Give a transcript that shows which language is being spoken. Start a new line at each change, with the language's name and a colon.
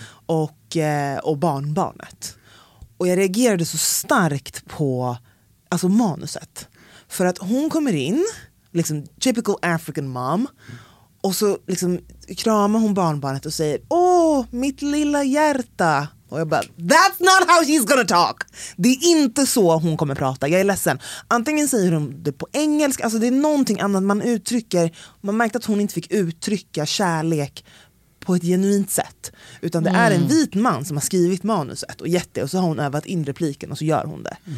Swedish: Och barnbarnet. Och jag reagerade så starkt på, alltså, manuset. För att hon kommer in, liksom
English: typical African mom.
Swedish: Och så liksom kramar hon barnbarnet och säger, åh, mitt lilla hjärta. Och jag bara,
English: that's not how she's gonna talk.
Swedish: Det är inte så hon kommer prata. Jag är ledsen. Antingen säger hon det på engelska, alltså det är någonting annat man uttrycker. Man märkte att hon inte fick uttrycka kärlek på ett genuint sätt. Utan det är en vit man som har skrivit manuset och gett det. Och så har hon övat in repliken och så gör hon det.